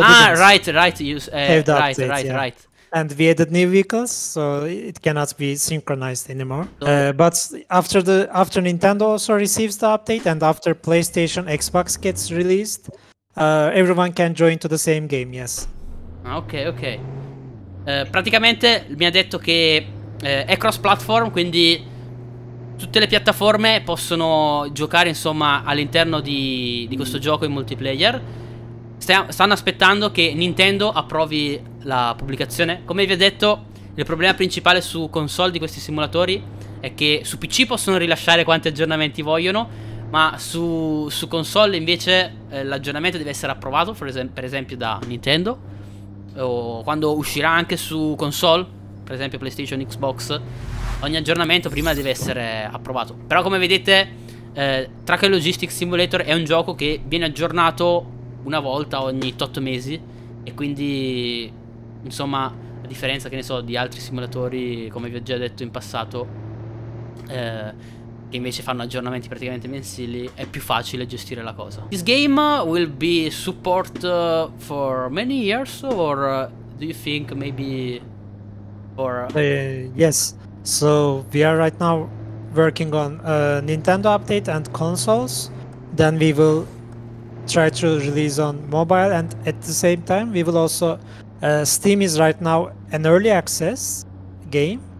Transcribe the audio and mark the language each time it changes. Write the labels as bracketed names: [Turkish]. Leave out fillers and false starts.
[English] didn't. Right. And we added new vehicles, so it cannot be synchronized anymore. So, but after Nintendo also receives the update and after PlayStation Xbox gets released, everyone can join to the same game, yes. Okay. [Italian] Praticamente mi ha detto che è cross-platform, quindi tutte le piattaforme possono giocare insomma all'interno di questo gioco in multiplayer. Stanno aspettando che Nintendo approvi la pubblicazione. Come vi ho detto, il problema principale su console di questi simulatori è che su PC possono rilasciare quanti aggiornamenti vogliono, ma su console invece l'aggiornamento deve essere approvato, per esempio da Nintendo, o quando uscirà anche su console, per esempio PlayStation, Xbox. Ogni aggiornamento prima deve essere approvato. Però come vedete, Truck Logistics Simulator è un gioco che viene aggiornato una volta ogni tot mesi. E quindi, insomma, a differenza, che ne so, di altri simulatori, come vi ho già detto in passato, che invece fanno aggiornamenti praticamente mensili, è più facile gestire la cosa. [English] This game will be support for many years, or do you think maybe for... Yes. So we are right now working on a Nintendo update and consoles. Then we will try to release on mobile, and at the same time we will also Steam is right now an early access game.